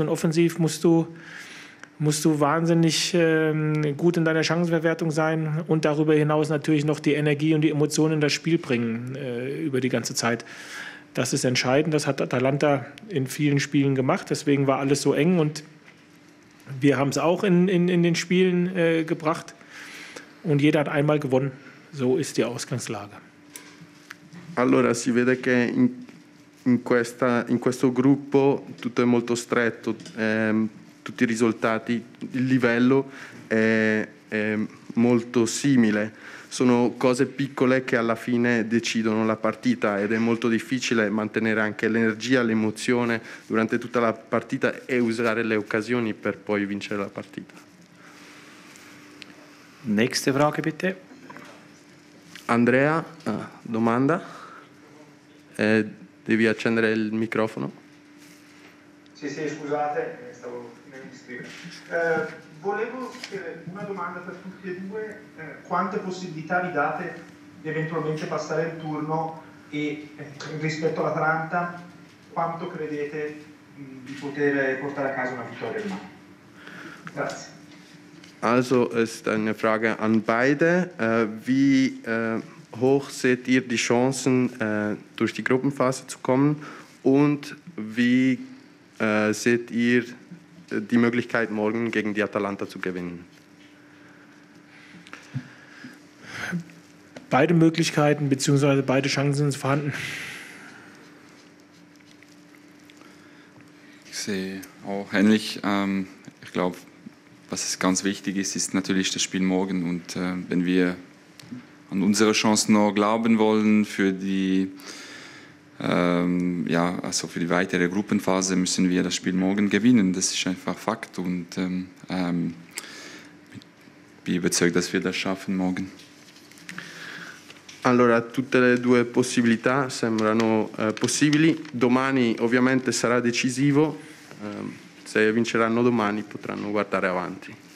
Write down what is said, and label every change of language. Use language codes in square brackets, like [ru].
[de] Und offensiv musst du wahnsinnig gut in deiner Chancenverwertung sein und darüber hinaus natürlich noch die Energie und die Emotionen in das Spiel bringen über die ganze Zeit. Das ist entscheidend. Das hat Atalanta in vielen Spielen gemacht. Deswegen war alles so eng. Und wir haben es auch in den Spielen gebracht. Und jeder hat einmal gewonnen. So ist die Ausgangslage. [it] Allora, si vede che in questo gruppo tutto è molto stretto, tutti i risultati, il livello è molto simile. Sono cose piccole che alla fine decidono la partita ed è molto difficile mantenere anche l'energia, l'emozione durante tutta la partita e usare le occasioni per poi vincere la partita. [de] Nächste Frage, bitte. [it] Andrea, domanda. Devi accendere il microfono. Sì, scusate, stavo finendo di scrivere. Volevo chiedere una domanda per tutti e due, quante possibilità vi date di eventualmente passare il turno e rispetto all'Atalanta quanto credete di poter portare a casa una vittoria del Milan? Grazie. [de] Also ist eine Frage an beide. Wie hoch seht ihr die Chancen, durch die Gruppenphase zu kommen? Und wie seht ihr die Möglichkeit, morgen gegen die Atalanta zu gewinnen? Beide Möglichkeiten bzw. beide Chancen sind vorhanden. Ich sehe auch ähnlich. Ich glaube, was ganz wichtig ist, ist natürlich das Spiel morgen. Und wenn wir an unsere Chancen noch glauben wollen für die, ja, also für die weitere Gruppenphase, müssen wir das Spiel morgen gewinnen. Das ist einfach Fakt. Und ich bin überzeugt, dass wir das schaffen morgen. [it] Allora, tutte le due possibilità sembrano possibili. Domani ovviamente sarà decisivo. Se vinceranno domani potranno guardare avanti.